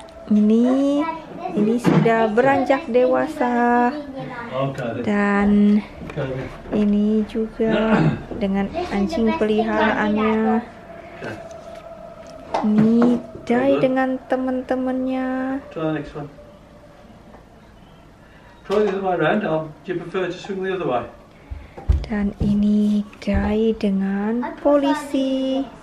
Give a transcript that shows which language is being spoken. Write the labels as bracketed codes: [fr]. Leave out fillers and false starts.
[id] Ini sudah beranjak dewasa. Dan ini juga dengan anjing peliharaannya. Ini Dai dengan teman-temannya. [en] Try the other way around. Do you prefer to swing the other way? [id] Dan ini Dai dengan polisi.